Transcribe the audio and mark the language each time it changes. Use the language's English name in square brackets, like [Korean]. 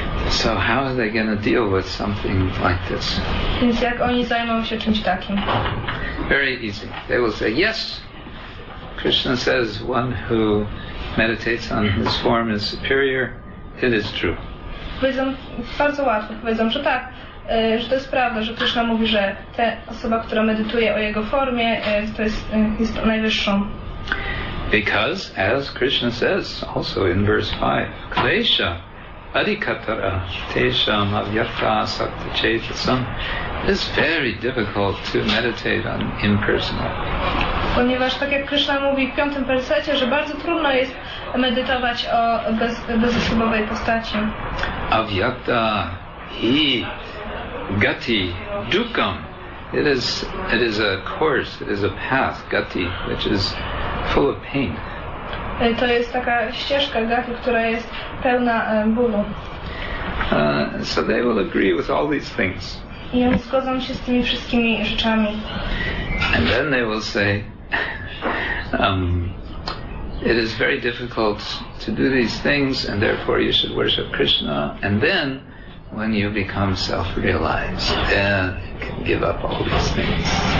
[English] So how are they going to deal with something like this? [Polish] Więc jak oni zajmą się czymś takim? [English] Very easy. They will say, yes, Krishna says one who meditates on his form is superior. It is true. [Polish] Powiedzą bardzo łatwo, powiedzą, że tak, że to jest prawda, że Krishna mówi, że ta osoba, która medytuje o jego formie, to jest najwyższą. [English] Because, as Krishna says, also in verse 5, [Sanskrit] klesha adikatara tesham avyartha sakta chetasam. [English] It's very difficult to meditate on impersonal. [Polish] Ponieważ tak jak Krishna mówi w 5 wersecie, że bardzo trudno jest medytować o bezosobowej postaci. [Sanskrit] Avyakta, hi, gati, dukam. [English] It is a course, it is a path, gati, which is full of pain. [Polish] To jest taka ścieżka gati, która jest pełna bólu. [English] So they will agree with all these things. [Polish] I oni zgodzą się z tymi wszystkimi rzeczami. [English] And then they will say, it is very difficult to do these things, and therefore you should worship Krishna. And then, when you become self-realized, then you can give up all these things.